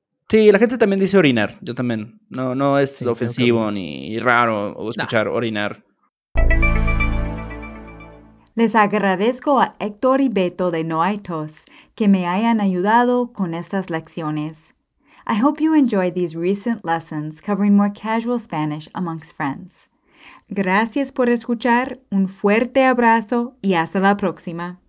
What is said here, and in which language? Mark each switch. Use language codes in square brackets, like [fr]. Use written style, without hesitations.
[es] Sí, la gente también dice orinar. Yo también. No, no es sí, ofensivo que... ni raro escuchar no. Orinar. Les agradezco a Héctor y Beto de No Hay Tos que me hayan ayudado con estas lecciones. [en] I hope you enjoyed these recent lessons covering more casual Spanish amongst friends. [es] Gracias por escuchar, un fuerte abrazo y hasta la próxima.